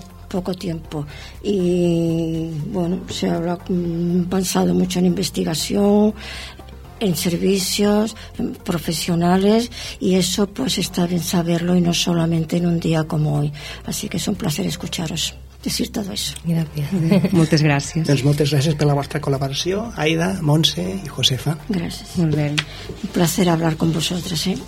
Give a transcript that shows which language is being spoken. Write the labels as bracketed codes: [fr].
[es] poco tiempo. Y bueno, se habrá pensado mucho en investigación, en servicios, en profesionales, y eso pues está bien saberlo, y no solamente en un día como hoy. Así que es un placer escucharos decir todo eso. Gracias. [ca] Moltes gràcies. Doncs moltes gràcies per la vostra col·laboració, Aida, Montse i Josefa. Gràcies. Molt bé. [es] Un placer hablar con vosotros, ¿eh?